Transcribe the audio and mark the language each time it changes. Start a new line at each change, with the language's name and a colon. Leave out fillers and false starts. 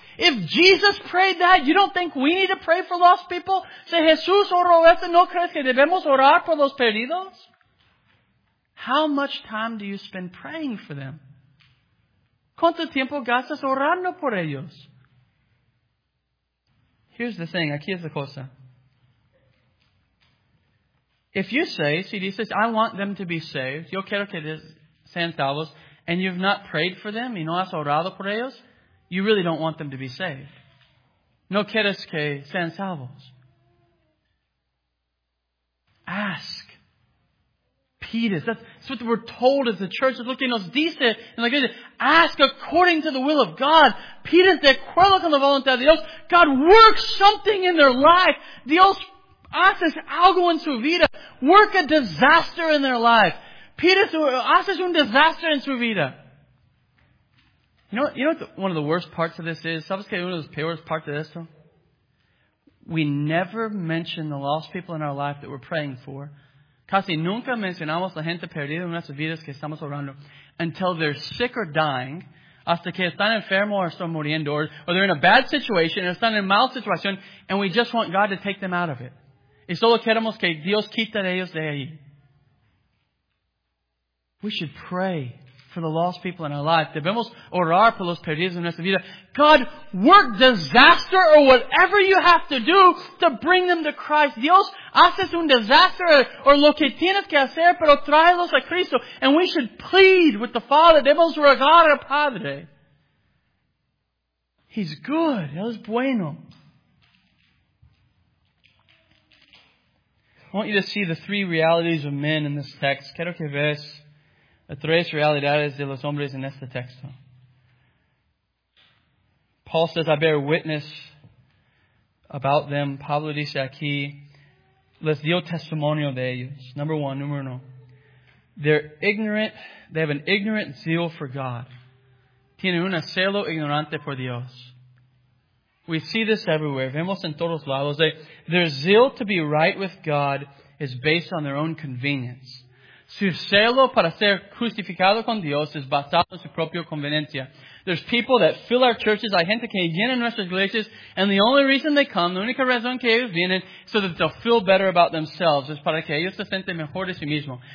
English: If Jesus prayed that, you don't think we need to pray for lost people?
Spanish: Si Jesús oró eso, ¿no crees que debemos orar por los perdidos?
English: How much time do you spend praying for them?
Spanish: ¿Cuánto tiempo gastas orando por ellos?
English: Here's the thing.
Spanish: Aquí es la cosa.
English: If you say,
Spanish: si dices,
English: I want them to be saved,
Spanish: yo quiero que sean salvos,
English: and you've not prayed for them
Spanish: y no has orado por ellos,
English: you really don't want them to be saved.
Spanish: No quieres que sean salvos.
English: Ask.
Spanish: Pides.
English: That's what we're told as the church.
Spanish: Es lo que nos dice.
English: And like, ask according to the will of God.
Spanish: Pides de acuerdo con la voluntad de Dios.
English: God works something in their life.
Spanish: Dios haces algo en su vida.
English: Work a disaster in their life.
Spanish: Pides, haces un desastre en su vida.
English: You know what one of the worst parts of this is?
Spanish: ¿Sabes qué uno de los peores parts de esto?
English: We never mention the lost people in our life that we're praying for.
Spanish: Casi nunca mencionamos la gente perdida en nuestras vidas que estamos orando
English: until they're sick or dying,
Spanish: hasta que están enfermos o están muriendo,
English: or they're in a bad situation,
Spanish: or están en mal situación,
English: and we just want God to take them out of it.
Spanish: Y solo queremos que Dios quita de ellos de ahí.
English: We should pray for the lost people in our life.
Spanish: Debemos orar por los perdidos en nuestra vida.
English: God, work disaster or whatever you have to do to bring them to Christ.
Spanish: Dios, haces un desastre or lo que tienes que hacer, pero tráelos a Cristo.
English: And we should plead with the Father.
Spanish: Debemos rogar al Padre.
English: He's good.
Spanish: Él es bueno.
English: I want you to see the three realities of men in this text.
Spanish: Quiero que veas las tres realidades de los hombres en este texto.
English: Paul says, I bear witness about them.
Spanish: Pablo dice aquí, les dio testimonio de ellos.
English: Number one,
Spanish: número uno.
English: They're ignorant, they have an ignorant zeal for God.
Spanish: Tienen un celo ignorante por Dios.
English: We see this everywhere.
Spanish: Vemos en todos lados.
English: Their zeal to be right with God is based on their own convenience.
Spanish: Su celo para ser justificado con Dios es basado en su propia conveniencia.
English: There's people that fill our churches.
Spanish: Hay gente que llena nuestras iglesias.
English: And the only reason they come,
Spanish: la única razón que ellos vienen,
English: so that they'll feel better about themselves.
Spanish: Es para que ellos se sienten mejor de sí mismo.